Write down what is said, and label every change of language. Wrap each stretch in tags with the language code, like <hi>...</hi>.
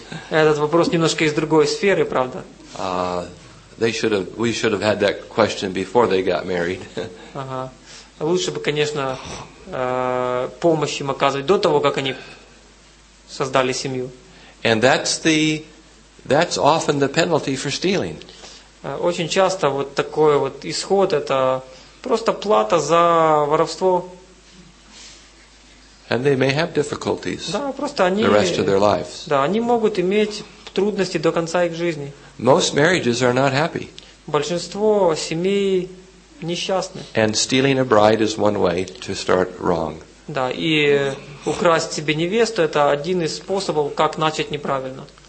<ru>Этот вопрос немножко из другой сферы, правда?</ru> <en>We should have had that question before they got married.</en> <ru>Ага. Лучше бы, конечно, помощь им оказывать до того, как они создали семью.</ru> <en>And that's often the penalty for stealing.</en> <ru>Очень часто вот такой вот исход это просто плата за воровство.</ru> <en>And they may have difficulties.</en> <ru>Да, просто они.</ru> <en>The rest of their lives.</en> <ru>Да, они могут иметь трудности до конца их жизни.</ru> <en>Most marriages are not happy.</en> <ru>Большинство семей несчастны.</ru> <en>And stealing a bride is one way to start wrong.</en> <ru>Да, и украсть себе невесту это один из способов, как начать неправильно.</ru>